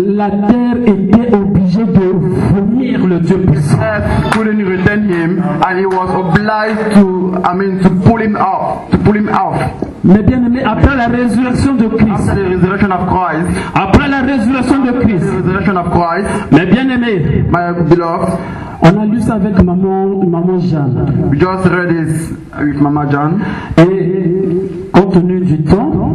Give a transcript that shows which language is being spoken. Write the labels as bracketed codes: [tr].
[fr] la terre était obligée de vomir le Dieu puissant. [en] The earth couldn't retain him, and he was obliged to pull him off. [fr] Mais bien aimé, après la résurrection de Christ, [en] after the resurrection of Christ, [fr] après la résurrection de Christ, [en] the resurrection of Christ, [fr] mais bien aimé, [en] my beloved. [fr] On a lu ça avec maman Jeanne. [en] We just read this with Mama Jeanne. [fr] Et compte tenu du temps.